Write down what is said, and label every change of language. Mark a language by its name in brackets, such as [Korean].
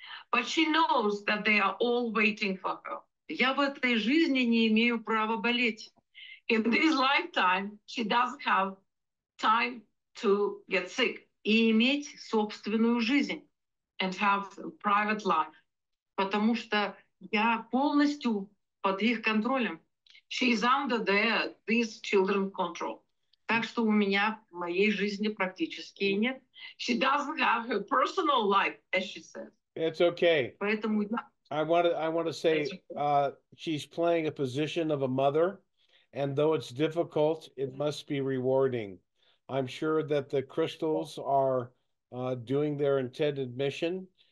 [English] But she knows that they are all waiting for her. [Russian] Я в этой жизни не имею права болеть. [English] in this lifetime she doesn't have time to get sick. [Russian] И иметь собственную жизнь. [English] And have private life. [Russian] Потому что я полностью под их контролем. [English] She is under these children's control. [Russian] Так что у меня моей жизни практически нет. [English] She doesn't have her personal life, as she says. It's okay. [Russian] Поэтому [English] I want to say she's playing a position of a mother, and though it's difficult, it must be rewarding. I'm sure that the crystals are doing their intended mission.